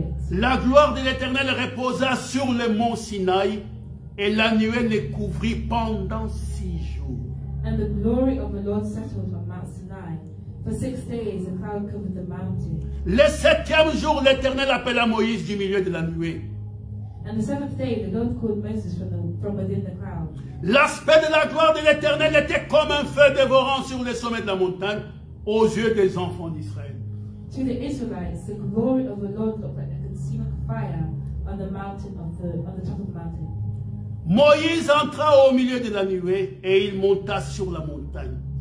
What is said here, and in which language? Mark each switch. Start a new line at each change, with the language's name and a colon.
French: La gloire de l'Éternel reposa sur le mont Sinaï et la nuée les couvrit pendant 6 jours.
English: And the glory of the Lord settled on Mount Sinai. For 6 days a cloud covered the mountain.
French: Le septième jour, l'Éternel appela Moïse du milieu de la nuée.
English: And the seventh day, the Lord called Moses from within the cloud.
French: L'aspect de la gloire de l'Éternel était comme un feu dévorant sur le sommet de la montagne aux yeux des enfants d'Israël.
English: To the Israelites, the glory of the Lord looked like a consuming fire on the mountain on the top of the mountain.
French: Moïse entra au milieu de la nuée et il monta sur la montagne.